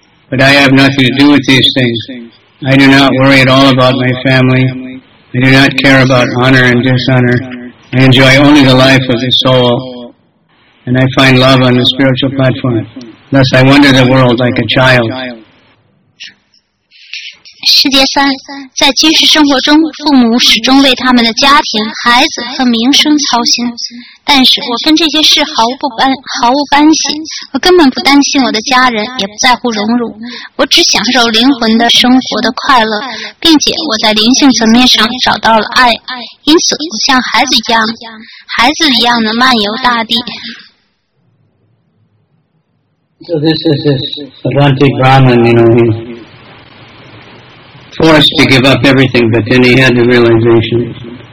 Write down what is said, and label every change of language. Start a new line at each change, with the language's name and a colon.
English: But I have nothing to do with these things. I do not worry at all about my family. I do not care about honor and dishonor. I enjoy only the life of the soul, and I find love on the spiritual platform. Thus, I wander the world like a child.
Chinese: 世界三，在居士生活中，父母始终为他们的家庭、孩子和名声操心。但是我跟这些事毫无干系，我根本不担心我的家人，也不在乎荣辱。我只享受灵魂的生活的快乐，并且我在灵性层面上找到了爱，因此我像孩子一样的漫游大地。
English: So this is Avanti Brahman, you know, he's forced to give up everything, but then he had the realization.